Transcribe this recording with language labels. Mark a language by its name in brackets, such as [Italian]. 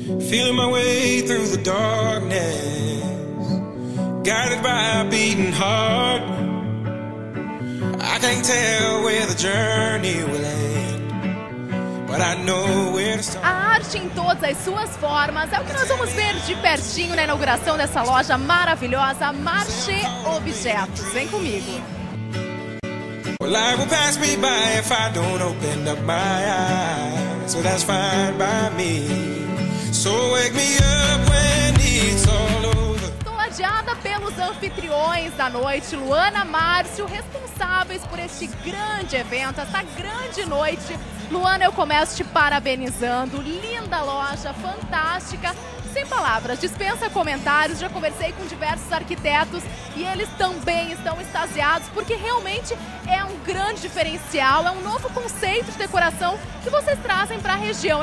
[English] Feeling my way through the darkness, guided by a beating heart. I can't tell where the journey will end, but I know where to start. [Portuguese] A arte em todas as suas formas é o que nós vamos ver de pertinho na inauguração dessa loja maravilhosa, Marché Objetos. Vem comigo. [English] Well, life will pass me by if I don't open up my eyes, so that's fine by me. So wake me up when it's all over. [Portuguese] Estou ladeada pelos anfitriões da noite, Luana, Márcio, responsáveis por este grande evento, essa grande noite. Luana, eu começo te parabenizando, linda loja, fantástica. Sem palavras, dispensa comentários, já conversei com diversos arquitetos e eles também estão extasiados, porque realmente é um grande diferencial, é um novo conceito de decoração que vocês trazem para a região.